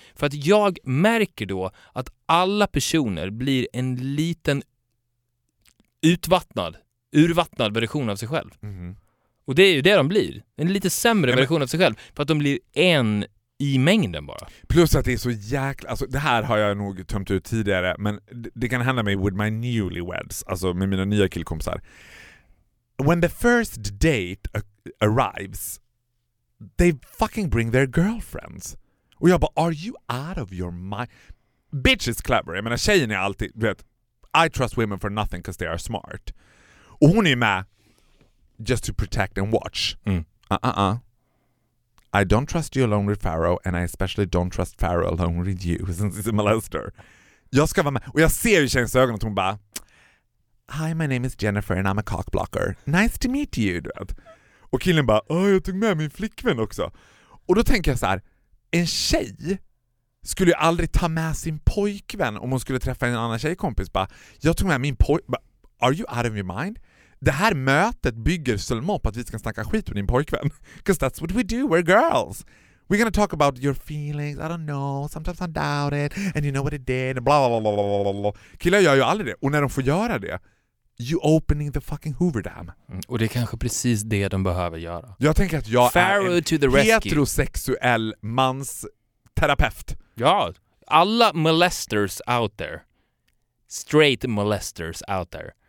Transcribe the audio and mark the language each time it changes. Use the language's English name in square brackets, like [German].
[Swedish] För att jag märker då att alla personer blir en liten urvattnad version av sig själv. Mm. Och det är ju det de blir. En lite sämre version av sig själv. För att de blir en i mängden bara. Plus att det är så jäkla... Alltså det här har jag nog tömt ut tidigare. Men det kan hända mig [English] with my newlyweds. [Swedish] Alltså med mina nya killkompisar. [English] When the first date arrives, they fucking bring their girlfriends. [Swedish] Och jag bara, [English] are you out of your mind? Bitch is clever. [Swedish] Jag menar, tjejen är alltid, vet, [English] I trust women for nothing because they are smart. [Swedish] Och hon är med [English] just to protect and watch. I don't trust you alone with Pharaoh, and I especially don't trust Pharaoh alone with you, since he's a molester. [Swedish] Jag ska vara med. Och jag ser ju tjejens ögon och hon bara, [English] hi, my name is Jennifer and I'm a cockblocker. Nice to meet you, [Swedish] du vet. Och killen bara, jag tog med min flickvän också. Och då tänker jag så här, en tjej skulle ju aldrig ta med sin pojkvän om hon skulle träffa en annan tjejkompis. Bara, jag tog med min pojkvän. [English] Are you out of your mind? [Swedish] Det här mötet bygger Selma på att vi ska snacka skit med din pojkvän. [English] Because that's what we do, we're girls. We're gonna talk about your feelings, I don't know, sometimes I doubt it, and you know what it did, blah, blah, blah, blah, blah, blah. [Swedish] Killar gör ju aldrig det, och när de får göra det, [English] you opening the fucking Hoover Dam. Mm, [Swedish] och det är kanske precis det de behöver göra. Jag tänker att jag Pharaoh är en heterosexuell mans terapeut. Ja, alla [English] molesters out there, straight molesters out there,